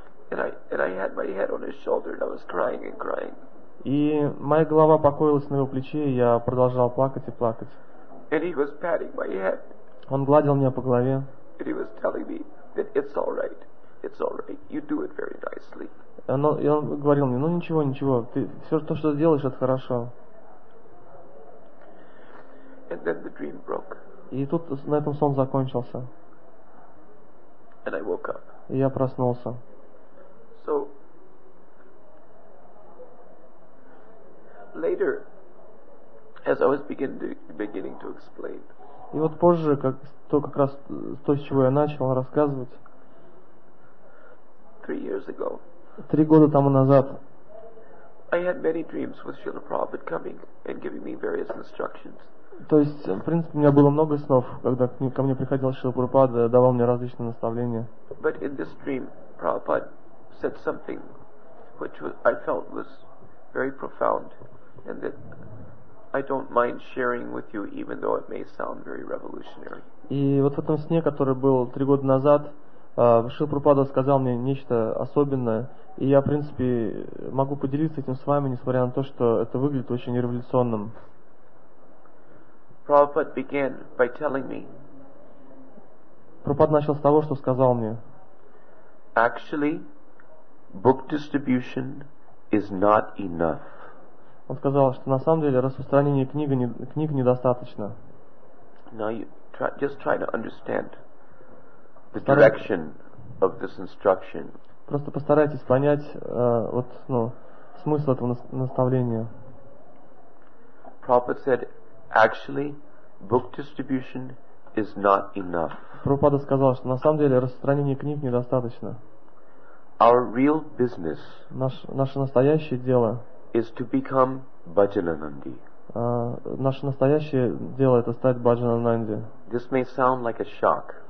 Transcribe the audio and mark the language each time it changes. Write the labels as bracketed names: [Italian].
[English] And I had my head on his shoulder and I was crying and crying. [Russian] И моя голова покоилась на его плече, и я продолжал плакать и плакать. [English] And he was patting my head. [Russian] Он гладил меня по голове. [English] And he was telling me that it's all right. It's all right. You do it very nicely. [Russian] Он говорил мне: "Ну ничего, ничего. Ты все то, что делаешь, это хорошо." [English] And then the dream broke. [Russian] И тут на этом сон закончился. [English] And I woke up. [Russian] И я проснулся. [English] So later, as I was beginning to explain. [Russian] И вот позже, как то как раз то, с чего я начал рассказывать. Три года тому назад [English] I had many dreams with Srila Prabhupada coming and giving me various instructions. [Russian] То есть, в принципе, у меня было много снов, когда ко мне приходил Шрила Прабхупада, давал мне различные наставления. [English] But in this dream, Prabhupada said something which I felt was very profound and that I don't mind sharing with you, even though it may sound very revolutionary. [Russian] И вот в этом сне, который был три года назад, Шрила Прабхупада сказал мне нечто особенное, и я, в принципе, могу поделиться этим с вами, несмотря на то, что это выглядит очень революционным. [English] Prabhupada began by telling me. [Russian] Прабхупада начал с того, что сказал мне. [English] Actually, book distribution is not enough. [Russian] Он сказал, что на самом деле распространение книг недостаточно. [English] Now you just try to understand the direction of this instruction. [Russian] Просто постарайтесь понять вот ну смысл этого наставления. [English] Prabhupada said, actually, book distribution is not enough. [Russian] Прабхупада сказал, что на самом деле распространение книг недостаточно. [English] Our real business. [Russian] Наше настоящее дело. [English] Is to become Bhajananandi. [Russian] Наше настоящее дело это стать Bhajananandi. [English] This may sound like a shock.